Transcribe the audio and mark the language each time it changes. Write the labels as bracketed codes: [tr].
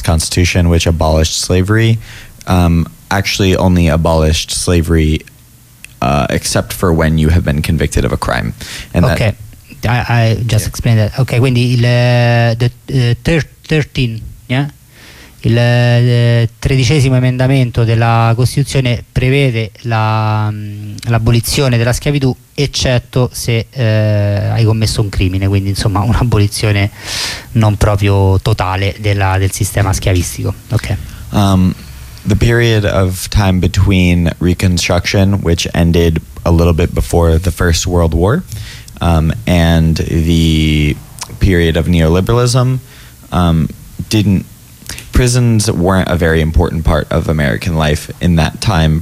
[en] Constitution, which abolished slavery, actually only abolished slavery except for when you have been convicted of a crime. And okay, I just explained that. Okay, quindi the 13th, yeah? [it] Il tredicesimo emendamento della Costituzione prevede l'abolizione della schiavitù, eccetto se hai commesso un crimine, quindi insomma un'abolizione non proprio totale del sistema schiavistico. Okay. [en] The period of time between Reconstruction, which ended a little bit before the First World War, and the period of neoliberalism, prisons weren't a very important part of American life in that time.